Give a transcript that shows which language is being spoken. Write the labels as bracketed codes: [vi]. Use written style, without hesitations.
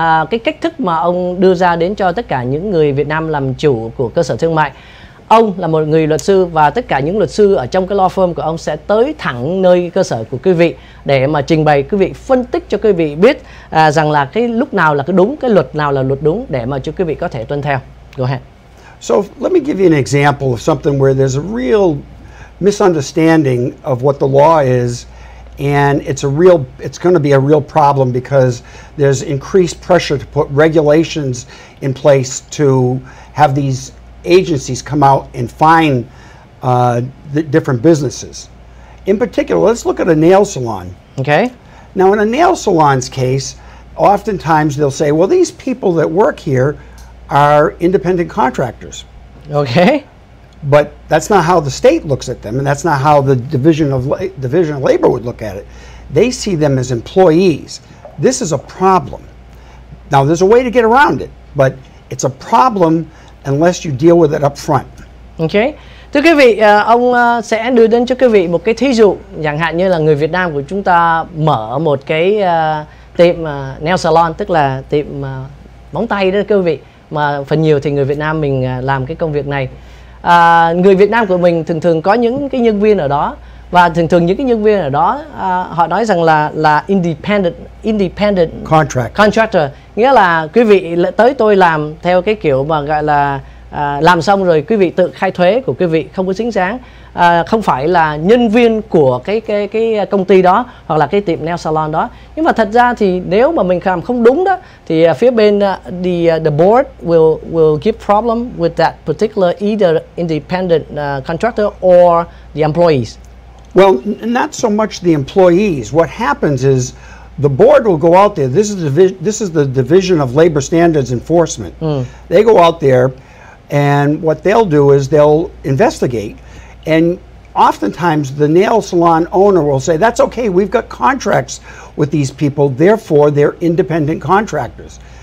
[vi] Cái cách thức mà ông đưa ra đến cho tất cả những người Việt Nam làm chủ của cơ sở thương mại. ông là một người luật sư và tất cả những luật sư ở trong cái law firm của ông sẽ tới thẳng nơi cơ sở của quý vị để mà trình bày quý vị, phân tích cho quý vị biết rằng là cái lúc nào là cái đúng, cái luật nào là luật đúng để mà cho quý vị có thể tuân theo. [en] Go ahead. So let me give you an example of something where there's a real misunderstanding of what the law is, and it's going to be a real problem because there's increased pressure to put regulations in place to have these agencies come out and fine the different businesses. In particular, let's look at a nail salon. Okay. Now, in a nail salon's case, oftentimes they'll say, well, these people that work here are independent contractors. Okay. But that's not how the state looks at them, and that's not how the Division of Labor would look at it. They see them as employees. This is a problem. Now, there's a way to get around it, but it's a problem unless you deal with it up front. Okay. [vi] Thưa quý vị, ông sẽ đưa đến cho quý vị một cái thí dụ, chẳng hạn như là người Việt Nam của chúng ta mở một cái tiệm nail salon, tức là tiệm móng tay đó quý vị, mà phần nhiều thì người Việt Nam mình làm cái công việc này. Người Việt Nam của mình thường thường có những cái nhân viên ở đó, và thường thường những cái nhân viên ở đó họ nói rằng là independent [en] contractor, [vi] nghĩa là quý vị tới tôi làm theo cái kiểu mà gọi là làm xong rồi quý vị tự khai thuế của quý vị, không có xứng đáng, không phải là nhân viên của cái công ty đó hoặc là cái tiệm nail salon đó. Nhưng mà thật ra thì nếu mà mình làm không đúng đó thì phía bên [en] the board will give problem with that particular either independent contractor or the employees. Well, not so much the employees. What happens is the board will go out there. This is the Division of Labor Standards Enforcement. Mm. They go out there, and what they'll do is they'll investigate. And oftentimes, the nail salon owner will say, that's okay, we've got contracts with these people, therefore, they're independent contractors.